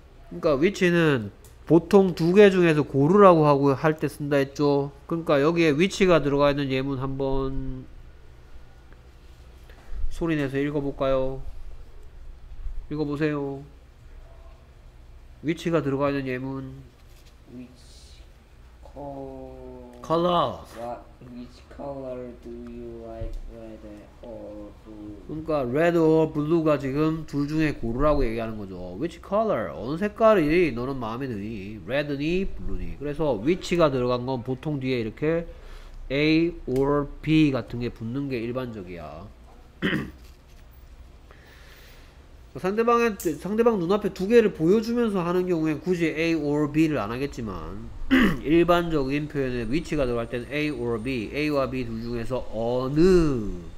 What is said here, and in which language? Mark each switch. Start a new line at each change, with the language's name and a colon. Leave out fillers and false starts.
Korean: 그니까 위치는 보통 두 개 중에서 고르라고 하고 할 때 쓴다 했죠. 그러니까 여기에 위치가 들어가 있는 예문 한번 소리 내서 읽어볼까요? 읽어보세요. 위치가 들어가 있는 예문.
English: Which color? Color. Which color do you like, red or blue?
Korean: 그러니까
English: red or blue
Korean: 가 지금 둘 중에 고르라고 얘기하는 거죠.
English: Which color?
Korean: 어느 색깔이 너는 마음에 드니? red니? blue니? 그래서 which가 들어간 건 보통 뒤에 이렇게 A or B 같은 게 붙는 게 일반적이야. 상대방 눈앞에 두 개를 보여주면서 하는 경우엔 굳이 A or B를 안 하겠지만 일반적인 표현에 위치가 들어갈 때는 A or B, A와 B 둘 중에서 어느